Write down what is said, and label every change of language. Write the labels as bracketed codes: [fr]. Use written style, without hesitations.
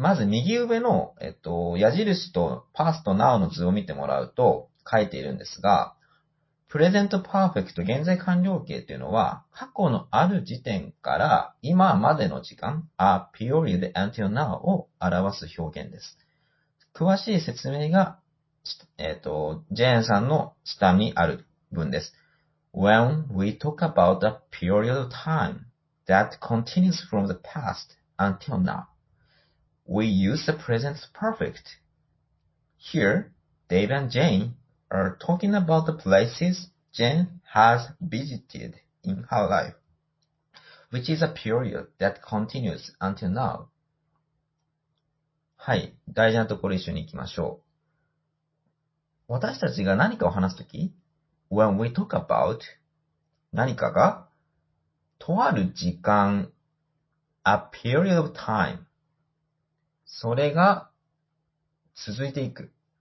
[ja] まず右上の、矢印と past now の図を見てもらうと書いているんですが、present perfect 現在完了形というのは、過去のある時点から今までの時間、 [en] a period until now [ja] を表す表現です。詳しい説明が、ジェーンさんの下にある文です。 [en] When we talk about a period of time that continues from the past until now,We use the present perfect. Here, Dave and Jane are talking about the places Jane has visited in her life, which is a period that continues until now. [ja] はい、大事なところ一緒に行きましょう。私たちが何かを話すとき、 [en] When we talk about [ja] 何かが、とある時間、 [en] a period of time, [ja] それが続いていく。